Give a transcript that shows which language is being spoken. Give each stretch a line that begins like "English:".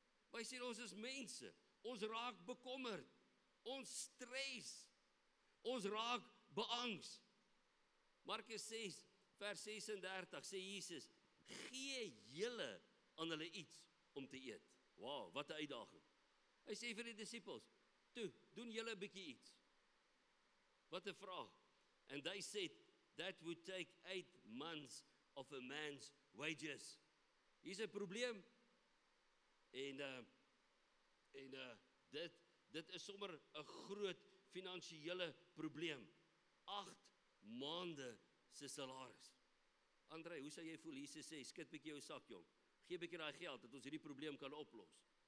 Afrikaans: Maar sê ons is mense, ons raak bekommerd, ons stres, ons raak beangs. Markus 6 vers 36 sê Jesus, gee julle aan hulle iets om te eet. Wow, wat 'n uitdaging. Hy sê vir die disippels, toe, doen julle 'n bietjie iets. Wat 'n vraag.
English: And they said, that would take 8 months of a man's wages.
Afrikaans: Hier is 'n probleem. En dit is sommer 'n groot finansiële probleem. 8 maande se salaris. Andre, hoe sou jy voel? Jesus sê, skud bietjie jou sak, jong. Gee bietjie daai geld dat ons hierdie probleem kan oplos.